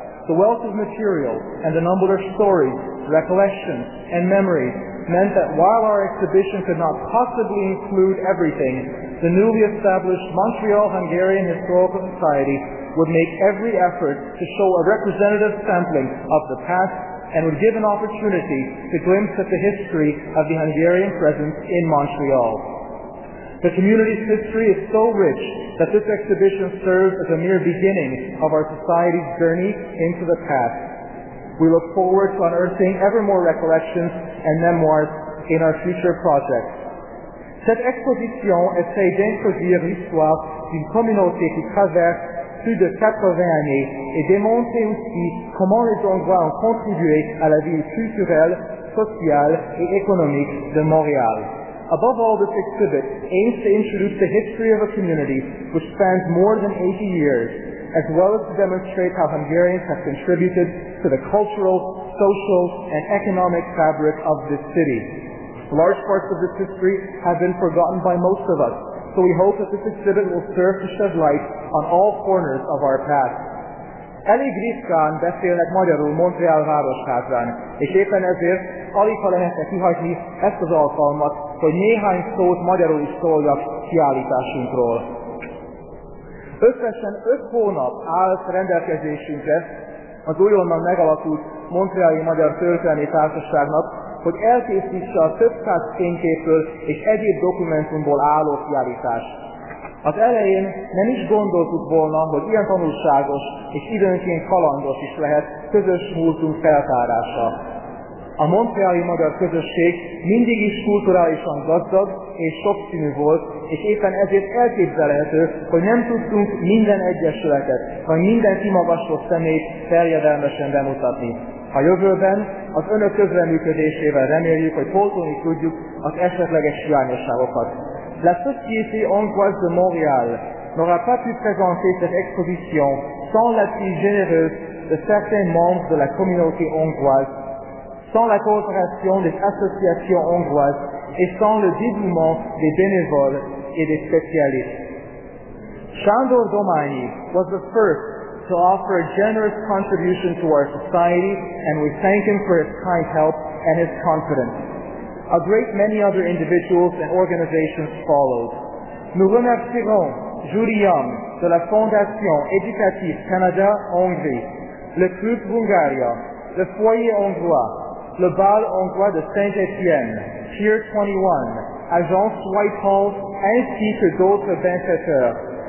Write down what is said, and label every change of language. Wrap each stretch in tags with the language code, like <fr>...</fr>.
<en>The wealth of material and the number of stories, recollections, and memories meant that while our exhibition could not possibly include everything, the newly established Montreal Hungarian Historical Society would make every effort to show a representative sampling of the past and would give an opportunity to glimpse at the history of the Hungarian presence in Montreal. The community's history is so rich that this exhibition serves as a mere beginning of our society's journey into the past. We look forward to unearthing ever more recollections and memoirs in our future projects.</en> <fr>Cette exposition essaie d'introduire l'histoire d'une communauté qui traverse plus de 80 années et démontrer aussi comment les Hongrois ont contribué à la vie culturelle, sociale et économique de Montréal.</fr> <en>Above all, this exhibit aims to introduce the history of a community which spans more than 80 years, as well as to demonstrate how Hungarians have contributed to the cultural, social, and economic fabric of this city. Large parts of this history have been forgotten by most of us, so we hope that this exhibit will serve to shed light on all corners of our past.</en> <hu>Elég ritkán beszélnek magyarul Montreal városházán, és éppen ezért aligha lehetne kihagyni ezt az alkalmat, hogy néhány szót magyarul is szóljak kiállításunkról. Összesen 5 hónap állt rendelkezésünkre az újonnan megalakult Montreali Magyar Történelmi Társaságnak, hogy elkészítse a több száz fényképről és egyéb dokumentumból álló kiállítást. Az elején nem is gondoltuk volna, hogy ilyen tanulságos és időnként kalandos is lehet közös múltunk feltárása. A montreali magyar közösség mindig is kulturálisan gazdag és sokszínű volt, és éppen ezért elképzelhető, hogy nem tudtunk minden egyesületet, vagy minden kimagaslott személyt feljedelmesen bemutatni. A jövőben az önök közreműködésével reméljük, hogy pótolni tudjuk az esetleges hiányosságokat.</hu> <fr>La Société hongroise de Montréal n'aura pas pu présenter cette exposition sans l'appui généreux de certains membres de la communauté hongroise, sans la coopération des associations hongroises et sans le dévouement des bénévoles et des spécialistes.</fr> <en>Sándor Domani was the first to offer a generous contribution to our society, and we thank him for his kind help and his confidence. A great many other individuals and organizations followed.</en> <fr>Nous remercierons Judy Young de la Fondation Éducative Canada-Hongrie, le Club Bungaria, le Foyer Hongrois, le Bal Hongrois de Saint-Étienne, Pier 21, Agence Whitehall, ainsi que d'autres bienfaiteurs.</fr>